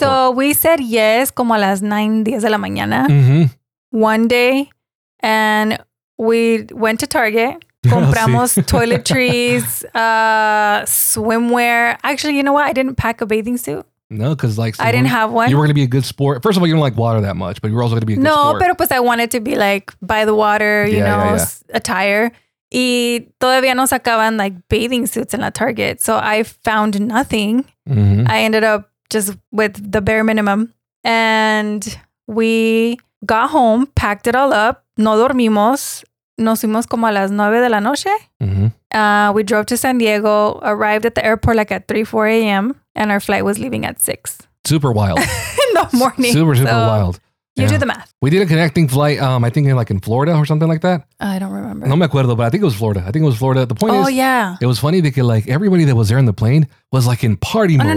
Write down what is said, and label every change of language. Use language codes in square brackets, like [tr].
[en] So we said yes, [es] como a las 9:10 de la mañana, [en] one day, and we went to Target, compramos toiletries, swimwear. Actually, you know what? I didn't pack a bathing suit. No, because like- I didn't have one. You were going to be a good sport. First of all, you don't like water that much, but you were also going to be a good sport. [es] No, pero pues [en] I wanted to be like by the water, attire. Y todavía no sacaban like bathing suits en la Target. So I found nothing. Mm-hmm. I ended up just with the bare minimum. And we got home, packed it all up. [es] No dormimos. Nos fuimos como a las 9 de la noche. Mm-hmm. [en] We drove to San Diego, arrived at the airport like at 3-4 a.m. And our flight was leaving at 6. Super wild. In the morning. Super wild. You do the math. We did a connecting flight, I think in Florida or something like that. I don't remember. [es] No me acuerdo, [en] but I think it was Florida. The point is, it was funny because like everybody that was there in the plane was like in party mode.